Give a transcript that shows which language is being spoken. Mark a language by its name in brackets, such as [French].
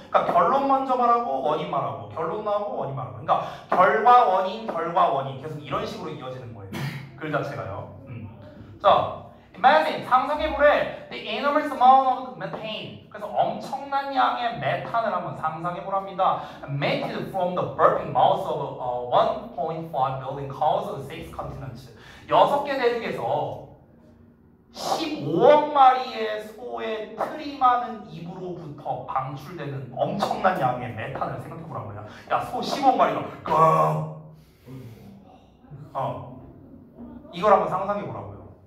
[Korean] 그러니까 결론 먼저 말하고 원인 말하고 결론 나오고 원인 말하고. 그러니까 결과 원인 결과 원인 계속 이런 식으로 이어지는 거예요. 글 자체가요. 자, imagine 상상해보래. [English] The enormous amount of methane. [Korean] 그래서 엄청난 양의 메탄을 한번 상상해보랍니다. [English] Emitted from the burping mouths of 1.5 billion cows on 6 continents. [Korean] 여섯 개 대륙에서 15억 마리의 소의 트림하는 입으로부터 방출되는 엄청난 양의 메탄을 생각해보란 거야. 야, 소 15억 마리가 이걸 한번 상상해보라고요.